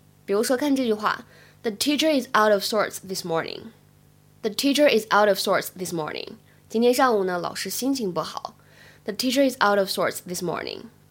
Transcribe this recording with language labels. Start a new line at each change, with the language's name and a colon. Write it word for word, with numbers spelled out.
Chinese: 比如说看这句话
English: The teacher is out of sorts this morning. The teacher is out of sorts this morning.
Chinese: 今天上午呢，老师心情不好。
English: The teacher is out of sorts this morning.